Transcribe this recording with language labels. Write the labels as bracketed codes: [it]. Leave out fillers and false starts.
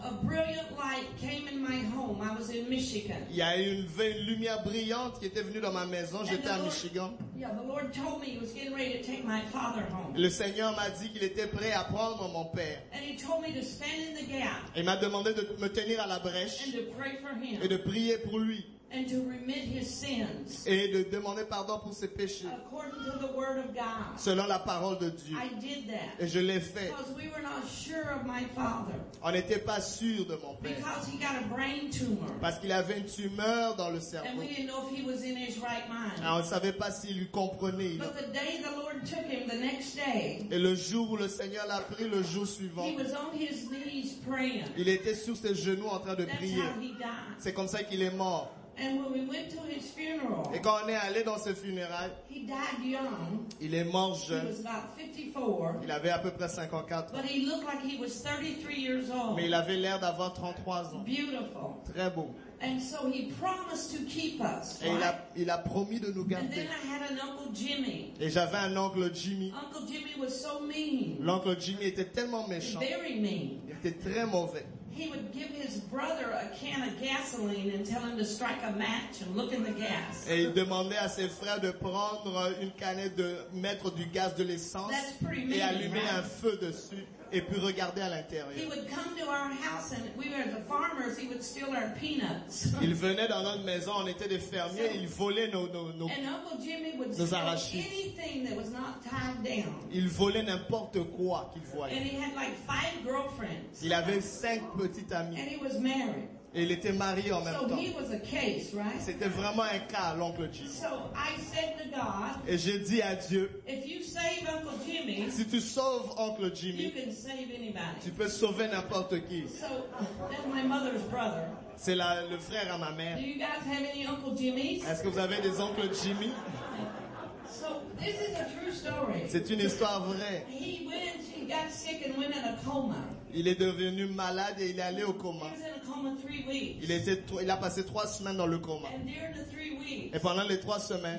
[en] A brilliant light came in my home. I was in Michigan. [fr] Il y a eu une lumière brillante qui était venue dans ma maison. J'étais à Michigan. [en] Yeah, the Lord told me he was getting ready to take my father home. [fr] Le Seigneur m'a dit qu'il était prêt à prendre mon père. [en] And he told me to stand in the gap. [fr] Il m'a demandé de me tenir à la brèche. [en] And to pray for him. [fr] Et de prier pour lui. [en] And to remit his sins. [fr] Et de demander pardon pour ses péchés. [en] According to the word of God. [fr] Selon la parole de Dieu. [en] I did that. [fr] Et je l'ai fait. [en] Because we were not sure of my father. [fr] On n'était pas sûr de mon père. [en] Because he got a brain tumor. [fr] Parce qu'il avait une tumeur dans le cerveau. [en] And we didn't know if he was in his right mind. [fr] Alors, on ne savait pas s'il lui comprenait. [en] But the day the Lord took him, the next day. [fr] Et le jour où le Seigneur l'a pris, le jour suivant. [en] He was on his knees praying. [fr] Il était sur ses genoux en train de [en] That's [fr] prier. [en] How he died. [fr] C'est comme ça qu'il est mort. [en] And when we went to his funeral, [fr] et quand on est allé dans ses funérailles, [en] he died young. [fr] Il est mort jeune. [en] He was about 54. [fr] Il avait à peu près 54. [en] But he looked like he was 33 years old. [fr] Mais il avait l'air d'avoir 33 ans. [en] Beautiful. [fr] Très beau. [en] And so he promised to keep us. [fr] Et [en] right? [fr] il a promis de nous garder. [en] And then I had an Uncle Jimmy. [fr] Et j'avais un oncle Jimmy. [en] Uncle Jimmy was so mean. [fr] L'oncle Jimmy était tellement méchant. [en] Very mean. [fr] Il était très mauvais. [en] He would give his brother a can of gasoline and tell him to strike a match and look in the gas. [fr] Et il demandait à ses frères de prendre une canette de mettre du gaz de l'essence [en] That's pretty mean, [fr] et allumer [en] right? [fr] un feu dessus et puis regarder à l'intérieur. [en] He would come to our house and we were the farmers. He would steal our peanuts. [fr] Il venait dans notre maison, on était des fermiers, so, il volait nos [en] And Uncle Jimmy would [fr] nos arachides. [en] Anything that was not tied down. [fr] Il volait n'importe quoi qu'il voyait. [en] And he had like five girlfriends. [fr] Il avait cinq petite amie. [en] And he was married. [fr] Et il était marié en même [en] so [fr] temps. [en] He was a case, right? [fr] C'était vraiment un cas, l'oncle Jimmy. [en] So I said to God, [fr] et j'ai dit à Dieu, [en] If you save Uncle Jimmy, [fr] si tu sauves oncle Jimmy, [en] you can save anybody. [fr] Tu peux sauver n'importe qui. [en] So, that's my mother's brother. [fr] C'est la, le frère à ma mère. [en] Do you guys have any Uncle Jimmys? [fr] Est-ce que vous avez des oncles Jimmy? [en] So, this is a true story. [fr] C'est une histoire vraie. [en] He got sick and went in a coma. [fr] Il est devenu malade et il est allé au coma. [en] He was in a coma 3 weeks. [fr] Il a passé 3 semaines dans le coma. [en] And during the 3 weeks, [fr] et pendant les 3 semaines,